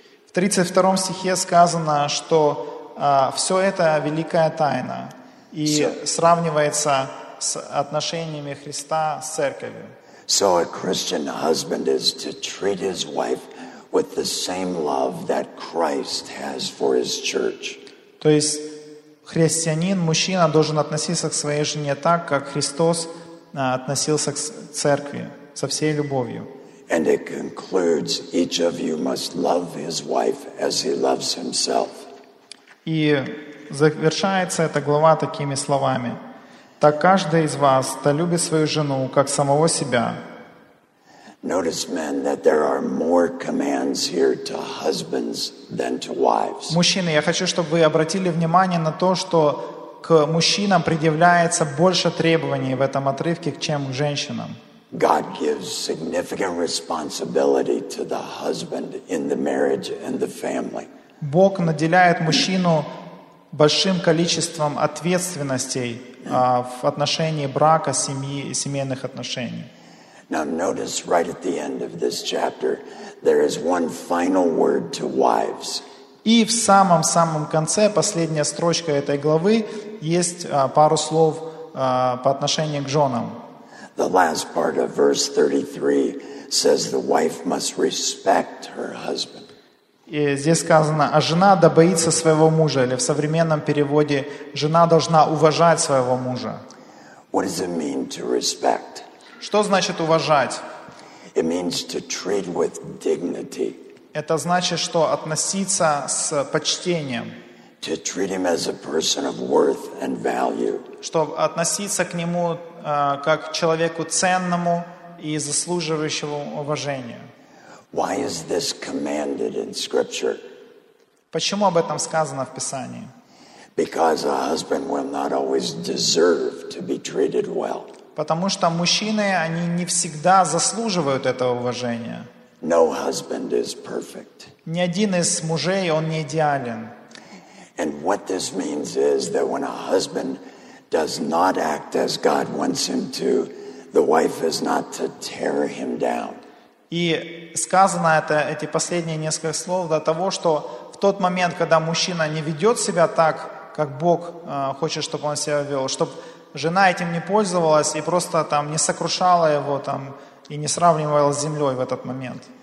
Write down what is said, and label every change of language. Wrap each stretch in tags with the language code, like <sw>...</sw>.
<ru>В 32 стихе сказано, что все это великая тайна и сравнивается с отношениями Христа с церковью.</ru> <en>So a Christian husband is to treat his wife with the same love that Christ has for his church.</en> <ru>То есть христианин, мужчина должен относиться к своей жене так, как Христос относился к церкви со всей любовью.</ru> <en>And it concludes, each of you must love his wife as he loves himself.</en> <ru>И завершается эта глава такими словами: так каждый из вас да любит свою жену как самого себя.</ru> <en>Notice, men, that there are more commands here to husbands than to wives.</en> <ru>Мужчины, я хочу, чтобы вы обратили внимание на то, что к мужчинам предъявляется больше требований в этом отрывке, чем к женщинам.</ru> <en>God gives significant responsibility to the husband in the marriage and the family.</en> <ru>Бог наделяет мужчину большим количеством ответственностей в отношении брака, семьи и семейных отношений.</ru> <en>Now notice right at the end of this chapter, there is one final word to wives.</en> <ru>И в самом-самом конце, последняя строчка этой главы, есть пару слов по отношению к женам.</ru> <en>The last part of verse 33 says the wife must respect her husband.</en> <ru>И здесь сказано, а жена да боится своего мужа, или в современном переводе, жена должна уважать своего мужа.</ru> <en>What does it mean to respect?</en> <ru>Что значит уважать?</ru> <en>It means to treat with dignity.</en> <ru>Это значит, что относиться с почтением.</ru> <en>To treat him as a person of worth and value.</en> <ru>Что относиться к нему как к человеку ценному и заслуживающему уважения.</ru> <en>Why is this commanded in Scripture?</en> <ru>Почему об этом сказано в Писании?</ru> <en>Because a husband will not always deserve to be treated well.</en> <ru>Потому что мужчины, они не всегда заслуживают этого уважения.</ru> <en>No husband is perfect.</en> <ru>Ни один из мужей, он не идеален.</ru> <en>And what this means is that when a husband does not act as God wants him to, the wife is not to tear him down.</en> <ru>И сказано это, эти последние несколько слов, до того, что в тот момент, когда мужчина не ведет себя так, как Бог хочет, чтобы он себя вел, чтобы жена этим не пользовалась и просто там не сокрушала его там и не сравнивала с землей в этот момент.</ru>